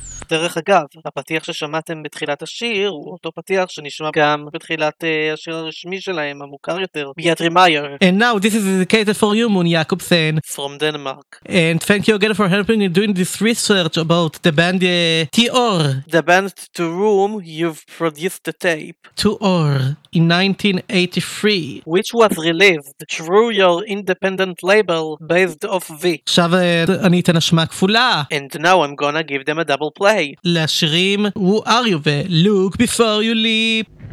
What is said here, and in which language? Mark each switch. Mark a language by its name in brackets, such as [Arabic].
[Hebrew] דרך אגב, הפתיח ששמעתם בתחילת השיר הוא אותו פתיח שנשמע גם בתחילת השיר הרשמי שלהם, המוכר יותר, ביאטרי מייר. [English] And now this is dedicated for you, מון יעקובסן. From Denmark. And thank you again for helping in doing this research about the band T.O.R. The band To Room, you've produced the tape. T.O.R. in 1983. Which was released through your independent label based off V. [Hebrew] עכשיו אני אתן השמעה כפולה. [English] And now I'm gonna give them a double play. [Hebrew] לשירים Who Are You ו Look Before You Leap.